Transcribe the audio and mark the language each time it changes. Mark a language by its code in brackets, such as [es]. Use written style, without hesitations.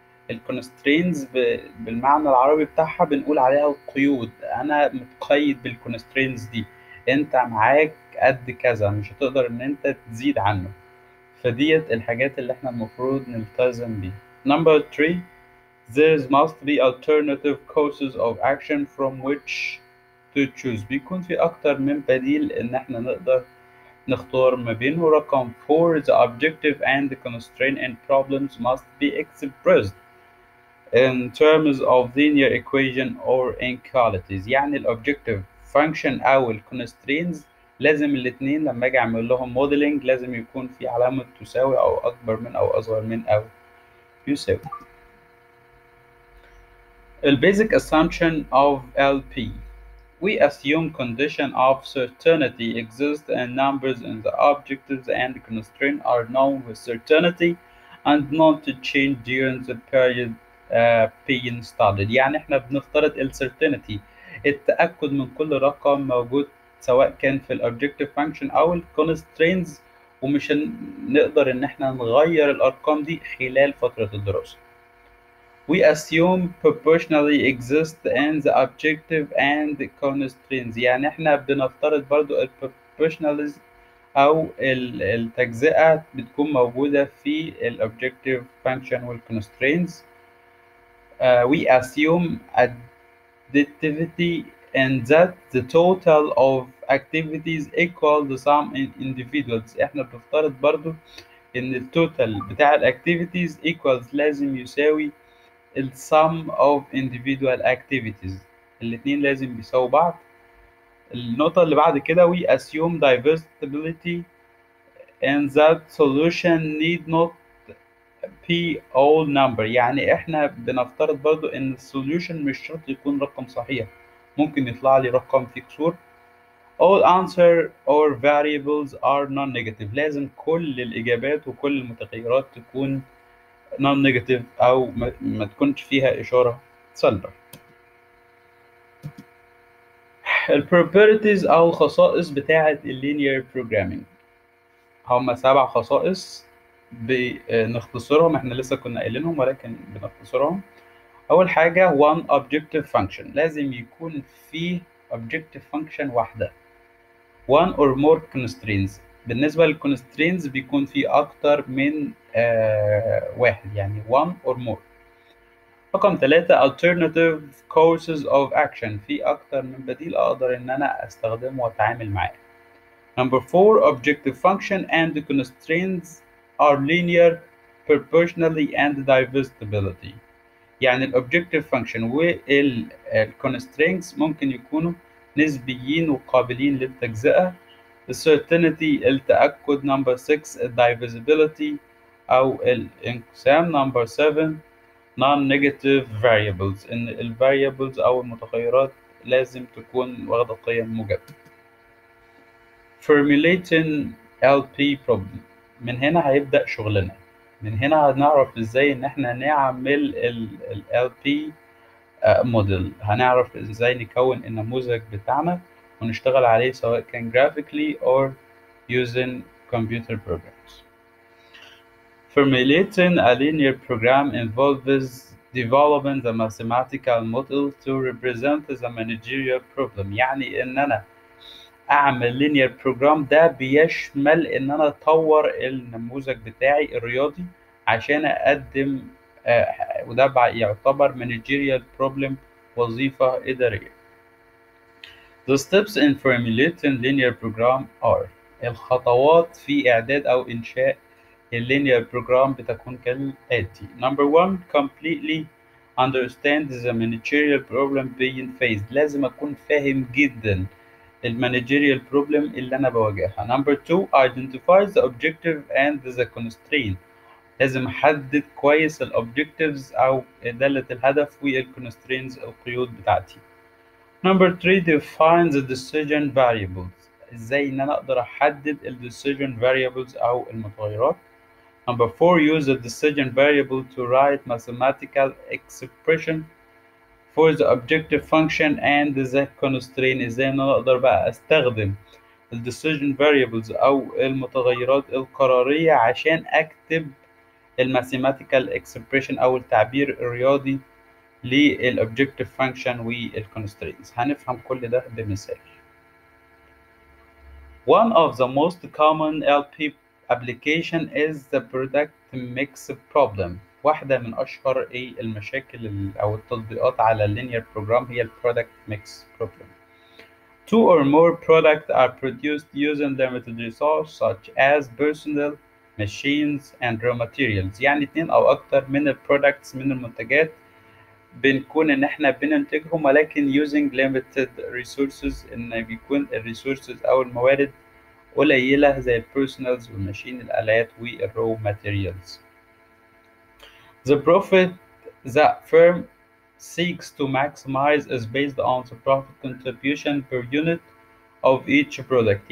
[ar] الكونسترينز بالمعنى العربي بتاعها بنقول عليها القيود، انا متقيد بالكونسترينز دي، انت معاك قد كذا مش هتقدر ان انت تزيد عنه، فديت الحاجات اللي احنا المفروض نلتزم بيها. [en] number 3، there must be alternative courses of action from which to choose. [ar] بيكون في اكتر من بديل ان احنا نقدر نختار ما بينه. [en] رقم 4، the objective and the constraint and problems must be expressed in terms of linear equation or inequalities. [ar] يعني ال objective function او ال constraints لازم الاثنين لما اجي اعمل لهم modeling لازم يكون في علامة تساوي او اكبر من او اصغر من او يساوي. [en] ال basic assumption of LP، we assume condition of certainty exists and numbers in the objectives and constraint are known with certainty and not to change during the period being studied. [ar] يعني احنا بنفترض certainty، التأكد من كل رقم موجود سواء كان في objective function او constraints، ومش نقدر ان احنا نغير الارقام دي خلال فترة الدراسة. [en] we assume proportionality exists in the objective and the constraints. [ar] يعني احنا بنفترض برضو proportionality او التجزئة بتكون موجودة في objective function والconstraints. [en] we assume additivity and that the total of activities equal the sum in individuals. [ar] احنا بنفترض برضو ان total بتاع activities equals لازم يساوي [en] the sum of individual activities، [ar] الاثنين لازم بيساوي بعض. النقطة اللي بعد كده، [en] we assume divisibility and that solution need not be all number. [ar] يعني احنا بنفترض برضو ان solution مش شرط يكون رقم صحيح، ممكن يطلع لي رقم فيه كسور. [en] all answer or variables are non-negative، [ar] لازم كل الاجابات وكل المتغيرات تكون non negative او ما تكونش فيها اشاره سلبه. البروبريتيز او الخصائص بتاعه اللينير بروجرامينج هم 7 خصائص، بنختصرهم، احنا لسه كنا قايلينهم ولكن بنختصرهم. اول حاجه، [en] one objective function، [ar] لازم يكون فيه objective function واحده. [en] one or more constraints، [ar] بالنسبه للconstraints بيكون في اكتر من واحد، يعني one or more. رقم 3، [en] alternative courses of action، [ar] في اكتر من بديل اقدر ان انا استخدمه واتعامل معاه. [en] number 4، objective function and the constraints are linear proportionality and divisibility. [ar] يعني الobjective function والconstraints ممكن يكونوا نسبيين وقابلين للتجزئة. [en] the certainty، التأكد. number 6، divisibility [ar] او الانقسام. [en] number 7، non-negative variables، [ar] ان ال variables او المتغيرات لازم تكون واخدة قيم موجبة. [en] formulating LP problem، [ar] من هنا هيبدأ شغلنا، من هنا هنعرف ازاي ان احنا نعمل ال LP model، هنعرف ازاي نكون النموذج بتاعنا ونشتغل عليه سواء كان [en] graphically or using computer programs. formulating a linear program involves developing the mathematical model to represent the managerial problem. [ar] يعني ان انا اعمل linear program ده بيشمل ان انا اطور النموذج بتاعي الرياضي عشان اقدم، وده يعتبر managerial problem، وظيفة ادارية. [en] The steps in formulating linear program are: [ar] الخطوات في إعداد أو إنشاء linear program بتكون كالآتي. [en] Number one, completely understand the managerial problem being faced. [ar] لازم أكون فاهم جدا المانجيريال بروبلم اللي أنا بواجهها. [en] Number two, identify the objective and the constraint. [ar] لازم أحدد كويس الobjectives أو دالة الهدف والconstraints القيود بتاعتي. [en] Number three, define the decision variables. [ar] إزاي إن أنا أقدر أحدد الdecision variables أو المتغيرات. [en] Number four, use the decision variable to write mathematical expression for the objective function and the constraint. [ar] إزاي إن أنا أقدر بقى أستخدم الdecision variables أو المتغيرات القرارية عشان أكتب الماثيماتيكال اكسبريشن او التعبير الرياضي للاوبجكتيف فانكشن والكونسترينتس. هنفهم كل ده بمثال. [en] One of the most common LP application is the product mix problem. [ar] واحده من اشهر المشاكل او التطبيقات على اللينير بروجرام هي البرودكت ميكس بروبلم. [en] Two or more products are produced using limited resources such as personnel, machines and raw materials. [ar] يعني اتنين او اكتر من البرودكتس من المنتجات بنكون ان احنا بننتجهم ولكن [en] using limited resources, [ar] ان بيكون الresources او الموارد قليلة زي personals والماشين الالات والraw materials. [en] The profit that firm seeks to maximize is based on the profit contribution per unit of each product.